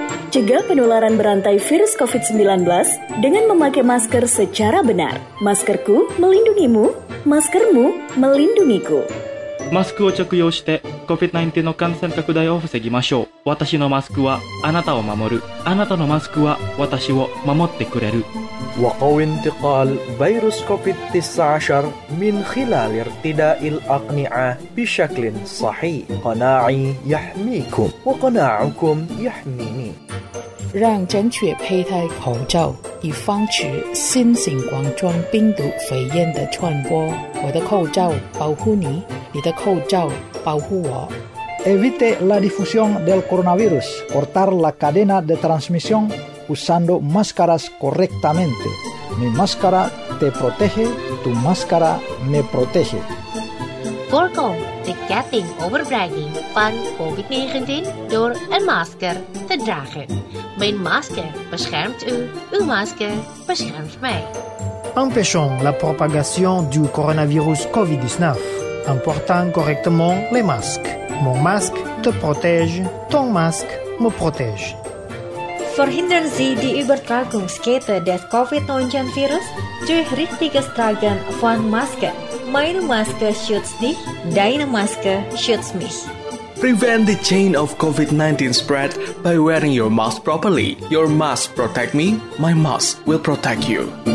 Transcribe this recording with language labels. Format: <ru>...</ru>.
<id>Cegah penularan berantai virus COVID-19 dengan memakai masker secara benar. Maskerku melindungimu, maskermu melindungiku.</id> <ja>Masku を着用して COVID-19 の感染拡大を防ぎましょう。私のマスクはあなたを守る。あなたのマスクは私を守ってくれる。</ja> <ar>وقو انتقال فيروس كوفيد 19 من خلال ارتداء الأقنعة بشكل صحيح قناعي يحميكم وقناعكم يحميني</ar> <zh>让正确佩戴口罩以防止新型冠状病毒肺炎的传播我的口罩保护你你的口罩保护我</zh> <es>evite la difusión del coronavirus cortar la cadena de transmisión usando máscaras correctamente. Mi máscara te protege, tu máscara me protege.</es> <nl>Voorkom de ketting overdragging van COVID-19 door een masker te dragen. Mijn masker beschermt u, uw masker beschermt mij.</nl> <fr>Empêchons la propagation du coronavirus COVID-19 en portant correctement les masques. Mon masque te protège, ton masque me protège.</fr> <de>Forhindern Sie die Übertragungskette des COVID-19 Virus durch richtiges Tragen von Maske. Meine Maske schützt dich, deine Maske schützt mich.</de> <en>Prevent the chain of COVID-19 spread by wearing your mask properly. Your mask protect me, my mask will protect you.</en>